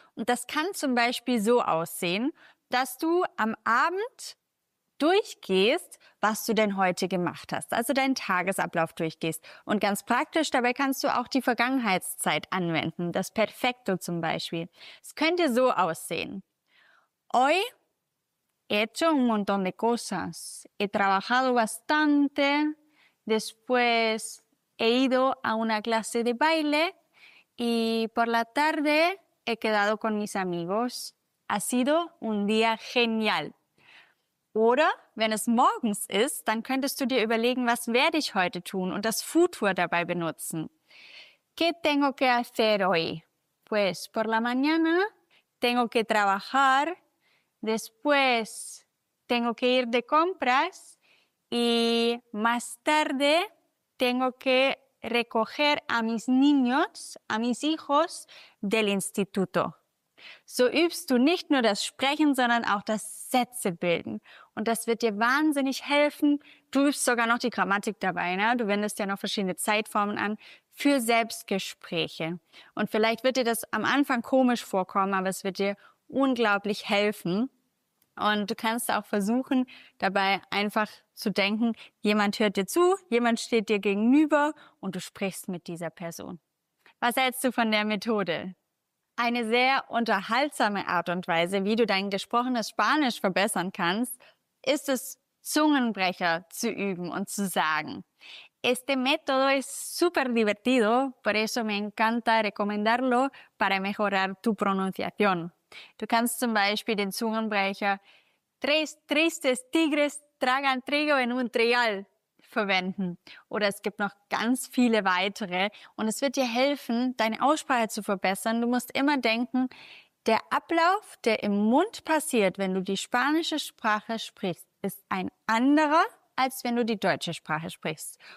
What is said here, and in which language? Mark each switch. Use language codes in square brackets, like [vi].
[de] Und das kann zum Beispiel so aussehen, dass du am Abend durchgehst, was du denn heute gemacht hast. Also deinen Tagesablauf durchgehst. Und ganz praktisch, dabei kannst du auch die Vergangenheitszeit anwenden. Das Perfekto zum Beispiel. Es könnte so aussehen. [es] Hoy he hecho un montón de cosas. He trabajado bastante. Después he ido a una clase de baile. Y por la tarde he quedado con mis amigos. Ha sido un día genial. [de] Oder wenn es morgens ist, dann könntest du dir überlegen, was werde ich heute tun und das Futur dabei benutzen. [es] ¿Qué tengo que hacer hoy? Pues por la mañana tengo que trabajar, después tengo que ir de compras y más tarde tengo que recoger a mis niños, a mis hijos del instituto. [de] So übst du nicht nur das Sprechen, sondern auch das Sätze bilden. Und das wird dir wahnsinnig helfen. Du übst sogar noch die Grammatik dabei, ne? Du wendest ja noch verschiedene Zeitformen an für Selbstgespräche. Und vielleicht wird dir das am Anfang komisch vorkommen, aber es wird dir unglaublich helfen. Und du kannst auch versuchen, dabei einfach zu denken, jemand hört dir zu, jemand steht dir gegenüber und du sprichst mit dieser Person. Was hältst du von der Methode? Eine sehr unterhaltsame Art und Weise, wie du dein gesprochenes Spanisch verbessern kannst, ist es, Zungenbrecher zu üben und zu sagen. [es] Este método es súper divertido, por eso me encanta recomendarlo para mejorar tu pronunciación. [de] Du kannst zum Beispiel den Zungenbrecher [es] Tres tristes tigres tragan trigo en un trigal [de] verwenden. Oder es gibt noch ganz viele weitere und es wird dir helfen, deine Aussprache zu verbessern. Du musst immer denken, der Ablauf, der im Mund passiert, wenn du die spanische Sprache sprichst, ist ein anderer, als wenn du die deutsche Sprache sprichst.